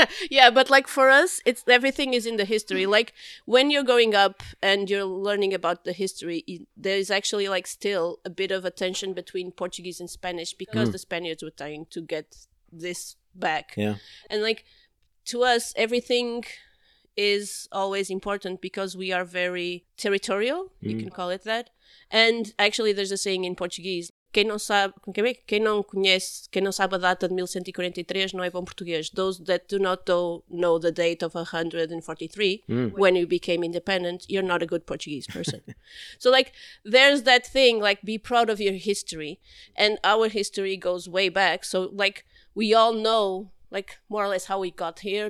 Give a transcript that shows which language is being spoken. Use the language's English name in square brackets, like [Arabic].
[English] Yeah, but like for us, it's everything is in the history. Like when you're growing up and you're learning about the history, there is actually like still a bit of a tension between Portuguese and Spanish because the Spaniards were trying to get this back. Yeah. And like to us, everything is always important because we are very territorial, you can call it that. And actually, there's a saying in Portuguese. [Portuguese] Quem não sabe a data de 1143 não é bom português. [English] Those that do not know the date of 143, when you became independent, you're not a good Portuguese person. So like, there's that thing, like, be proud of your history. And our history goes way back. So like, we all know, like, more or less how we got here.